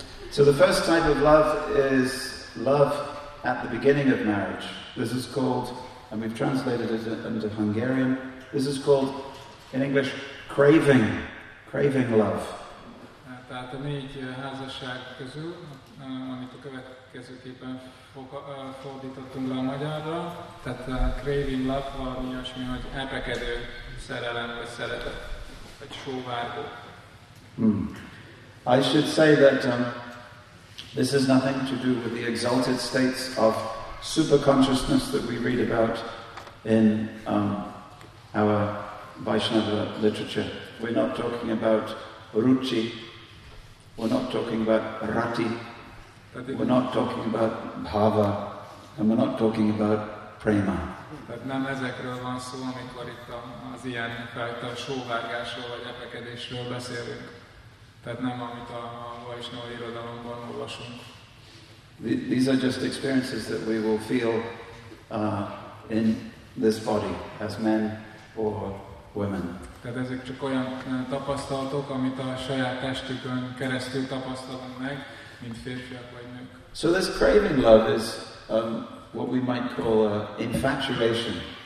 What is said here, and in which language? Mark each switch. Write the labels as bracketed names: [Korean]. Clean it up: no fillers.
[English] So the first type of love is love at the beginning of marriage. This is called, and we've translated it into Hungarian, this is called, in English, craving love. [Hungarian] Tehát a négy házasság közül, amit a következőképpen fordítottunk le a magyarra, tehát a craving love valami ilyesmi, hogy ebekedő szerelem vagy szeretet, vagy sóvárgó. [English] I should say that This has nothing to do with the exalted states of super consciousness that we read about in our Vaishnava literature. We're not talking about ruchi, we're not talking about rati, we're not talking about bhava, and we're not talking about prema. [Hungarian] Tehát nem ezekről van szó, amikor itt az ilyen fajta sóvárgásról vagy epekedésről beszélünk. Tehát nem amit a Vaisnava irodalomban olvasunk. [English] These are just experiences that we will feel in this body as men or women. [Hungarian] Tehát ezek csak olyan tapasztalatok, amit a saját testükön keresztül tapasztalunk meg, mint férfiak vagy nők. [English] So this craving love is what we might call infatuation.